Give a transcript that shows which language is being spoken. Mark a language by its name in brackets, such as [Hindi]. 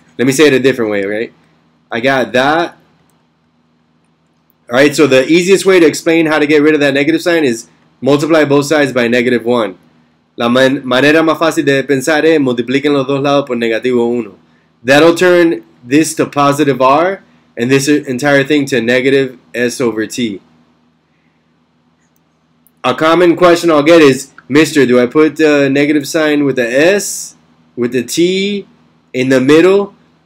[English] Let me say it a different way, okay? I got that. All right, so the easiest way to explain how to get rid of that negative sign is multiply both sides by negative 1. [Spanish] La manera más fácil de pensar es multipliquen los dos lados por negativo 1. [English] That'll turn this to positive r, and this entire thing to negative s over t. A common question I'll get is, Mister, do I put the negative sign with the s, with the t, in the middle?